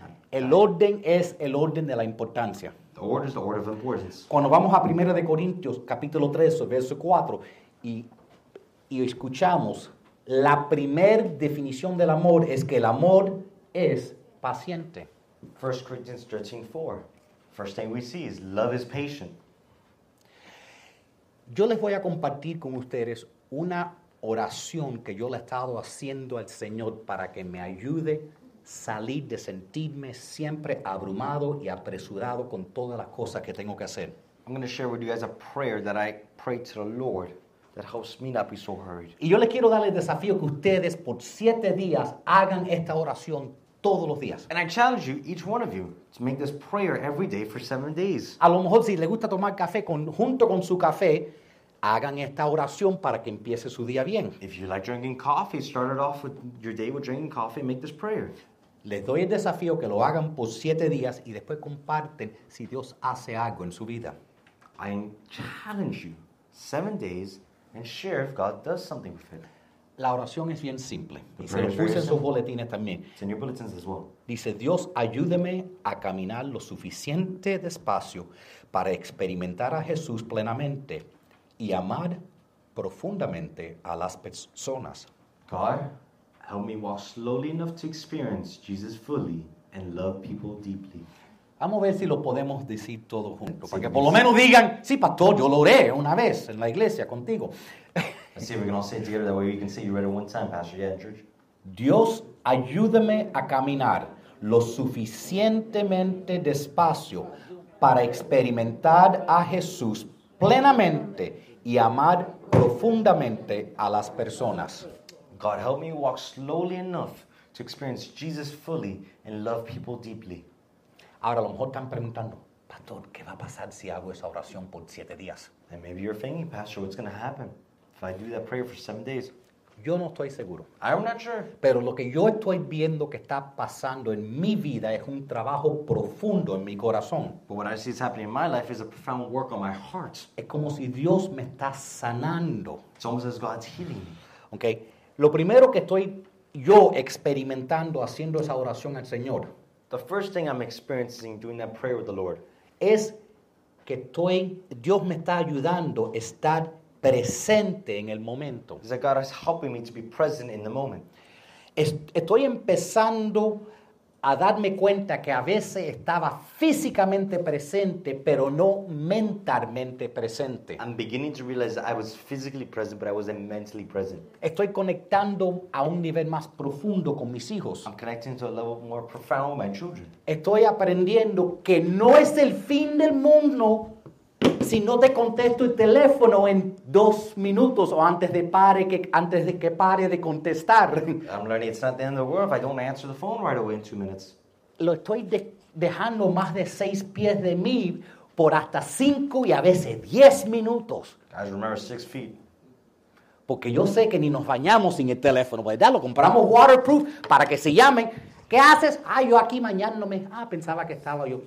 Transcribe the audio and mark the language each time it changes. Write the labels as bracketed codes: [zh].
[es] El orden es el orden de la importancia. [en] The order is the order of importance. [es] Cuando vamos a 1 Corintios, capítulo 3, verso 4, y escuchamos, la primer definición del amor es que el amor es paciente. [en] 1 Corinthians 13, 4. First thing we see is love is patient. [es] Yo les voy a compartir con ustedes una oración que yo le he estado haciendo al Señor para que me ayude salir de sentirme siempre abrumado y apresurado con todas las cosas que tengo que hacer. [en] I'm going to share with you guys a prayer that I pray to the Lord that helps me not be so hurried. [es] Y yo les quiero dar el desafío que ustedes por 7 días hagan esta oración todos los días. [en] And I challenge you, each one of you, to make this prayer every day for 7 days. [es] A lo mejor si le gusta tomar café junto con su café, hagan esta oración para que empiece su día bien. [en] If you like drinking coffee, start it off with your day with drinking coffee and make this prayer. [es] Les doy el desafío que lo hagan por 7 días y después comparten si Dios hace algo en su vida. [en] I challenge you, 7 days, and share if God does something with it. [es] La oración es bien simple. Y se lo puse en sus boletines también. [en] In your bulletins as well. [es] Dice, Dios, ayúdeme a caminar lo suficiente despacio para experimentar a Jesús plenamente y amar profundamente a las personas. [en] God, help me walk slowly enough to experience Jesus fully and love people deeply. [es] Vamos a ver si lo podemos decir todos juntos. Sí, para que por lo menos digan, sí, pastor, yo lo oré una vez en la iglesia contigo. [en] Let's see if we can all say it together. That way we can say you read it one time, Pastor. Yeah, church. [es] Dios, ayúdame a caminar lo suficientemente despacio para experimentar a Jesús plenamente y amar profundamente a las personas. [en] God, help me walk slowly enough to experience Jesus fully and love people deeply. [es] Ahora, a lo mejor están preguntando, Pastor, ¿qué va a pasar si hago esa oración por 7 días? [en] And maybe you're thinking, Pastor, what's going to happen? If I do that prayer for 7 days, [es] yo no estoy seguro. [en] I'm not sure. [es] Pero lo que yo estoy viendo que está pasando en mi vida es un trabajo profundo en mi corazón. [en] But what I see is happening in my life is a profound work on my heart. [es] Es como si Dios me está sanando. [en] It's almost as God's healing me. Okay. [es] Lo primero que estoy yo experimentando haciendo esa oración al Señor. [en] The first thing I'm experiencing doing that prayer with the Lord. [es] Es que estoy, Dios me está ayudando a estar presente en el momento. [en] Is that God is helping me to be present in the moment. [es] Estoy empezando a darme cuenta que a veces estaba físicamente presente, pero no mentalmente presente. [en] I'm beginning to realize that I was physically present, but I wasn't mentally present. [es] Estoy conectando a un nivel más profundo con mis hijos. [en] I'm connecting to a level more profound with my children. [es] Estoy aprendiendo que no es el fin del mundo si no te contesto el teléfono en 2 minutos o antes de que pare de contestar. [en] I'm learning it's not the end of the world if I don't answer the phone right away in 2 minutes. [es] Lo estoy dejando más de 6 pies de mí por hasta 5 y a veces 10 minutos. [en] Guys, remember 6 feet. [es] Porque yo sé que ni nos bañamos sin el teléfono, ¿verdad? Lo compramos waterproof para que se llamen. ¿Qué haces? Ah, yo aquí bañándome. Ah, pensaba que estaba yo.